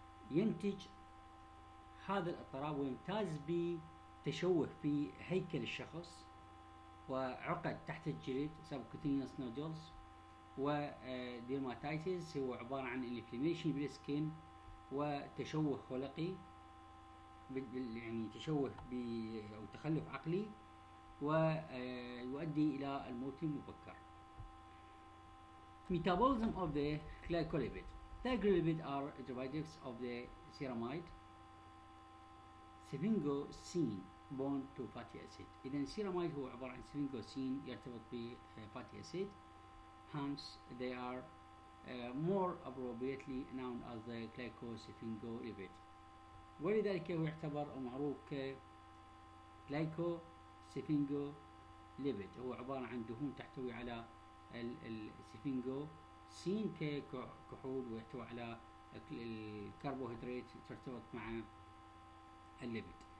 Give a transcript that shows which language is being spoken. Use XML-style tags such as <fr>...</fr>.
<ar>ينتج هذا الاضطراب ويمتاز بتشوه في هيكل الشخص وعقد تحت الجلد سبكوتينيوس نودولز وديرماتايتيس هو عبارة عن الانفلاميشن بالسكين وتشوه خلقي يعني تشوه أو تخلف عقلي ويؤدي إلى الموت المبكر.</ar> <en>Metabolism of the glycolipid. The glycolipid are derivatives of the ceramide sphingosine bond to fatty acid.</en> <ar>إذا الceramide هو عبارة عن sphingosine يرتبط بفاتي أسيد.</ar> <en>Hence, they are more appropriately known as the glycosphingolipid.</en> <ar>ولذلك هو يعتبر معروف ك glycosphingolipid. هو عبارة عن دهون تحتوي على السفينجوسين ككحول ويحتوي على الكربوهيدرات ترتبط مع الليبيد.</ar>